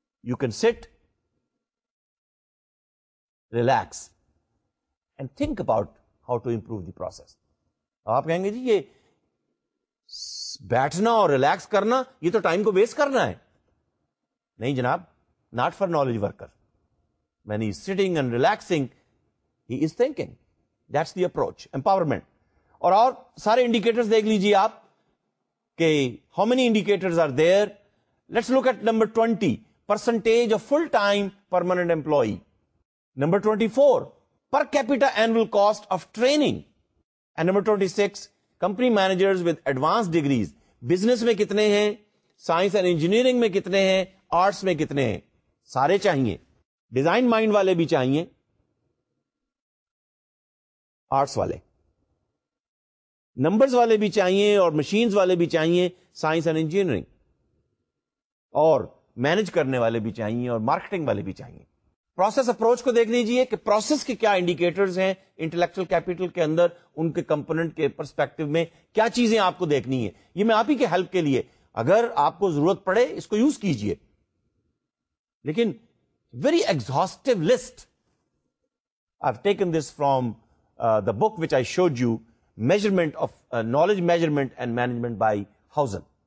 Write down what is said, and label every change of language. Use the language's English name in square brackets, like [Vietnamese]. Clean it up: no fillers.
[English] You can sit, relax and think about how to improve the process. [Urdu] اب آپ کہیں گے جی یہ بیٹھنا اور ریلیکس کرنا, یہ تو ٹائم کو ویسٹ کرنا ہے. نہیں جناب, [English] Not for knowledge worker. When he is sitting and relaxing, he is thinking. That's the approach, empowerment. [Urdu] اور اور سارے انڈیکیٹرز دیکھ لیجیے آپ کہ [English] how many indicators are there. Let's look at number 20, percentage of full-time permanent employee. Number 24, per capita annual cost of training. And number 26, company managers with advanced degrees. [Urdu] Business میں کتنے ہیں, [English] science and engineering [Urdu] میں کتنے ہیں, arts میں کتنے ہیں, سارے چاہیے. ڈیزائن مائنڈ والے بھی چاہیے, آرٹس والے, نمبرز والے بھی چاہیے اور مشینز والے بھی چاہیے, سائنس اینڈ انجینئرنگ, اور مینج کرنے والے بھی چاہیے اور مارکیٹنگ والے بھی چاہیے. پروسیس اپروچ کو دیکھ لیجئے کہ پروسیس کے کیا انڈیکیٹرز ہیں انٹلیکچوئل کیپیٹل کے اندر, ان کے کمپوننٹ کے پرسپیکٹو میں کیا چیزیں آپ کو دیکھنی ہے. یہ میں آپ ہی کے ہیلپ کے لیے, اگر آپ کو ضرورت پڑے اس کو یوز کیجئے, لیکن [English] very exhaustive list. I've taken this from the book which I showed you, measurement of knowledge measurement and management by Housen.